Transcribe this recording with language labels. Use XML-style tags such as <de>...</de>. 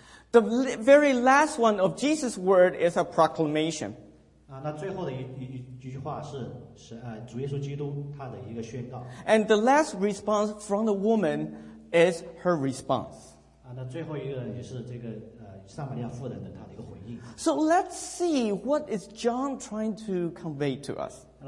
<en>The very last one of Jesus' word is a proclamation.</en> <zh>那最后的一句话是主耶稣基督他的一个宣告。</zh> <en>And the last response from the woman is her response.</en> <zh>那最后一个就是这个撒玛利亚妇人的他的一个回应。</zh> <en>So let's see what is John trying to convey to us.</en>